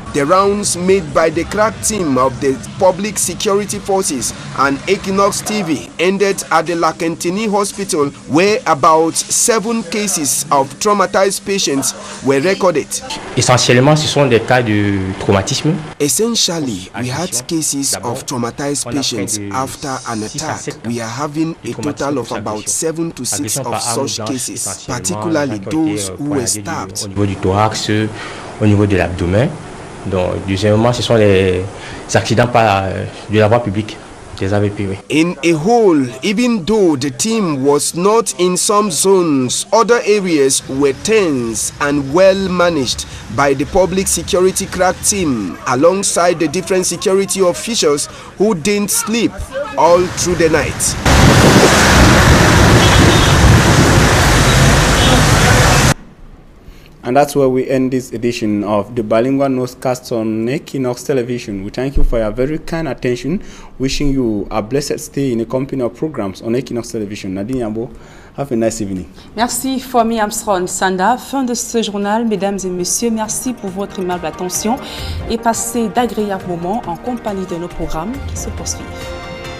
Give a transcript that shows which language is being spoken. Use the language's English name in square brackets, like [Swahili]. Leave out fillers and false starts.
[English] The rounds made by the crack team of the Public Security Forces and Equinox TV ended at the Lakentini Hospital, where about 7 cases of traumatized patients were recorded. [French] Essentiellement, ce sont des cas de traumatisme. [English] Essentially, we had cases of traumatized patients after an attack. We are having a total of about 7 to 6 of such cases, particularly those who were stabbed. [French] Au niveau du thorax, au niveau de l'abdomen. Donc, deuxièmement, ce sont les accidents par de la voie publique, des AVP. Oui. [English] In a whole, even though the team was not in some zones, other areas were tense and well managed by the public security crack team, alongside the different security officials who didn't sleep all through the night. And that's where we end this edition of the Bilingual Newscast on Equinox Television. We thank you for your very kind attention, wishing you a blessed stay in the company of programs on Equinox Television. Nadine Yambo, have a nice evening. [French] Merci, Fomi Armstrong Sanda. Fin de ce journal, mesdames et messieurs, merci pour votre aimable attention et passez d'agréables moments en compagnie de nos programmes qui se poursuivent.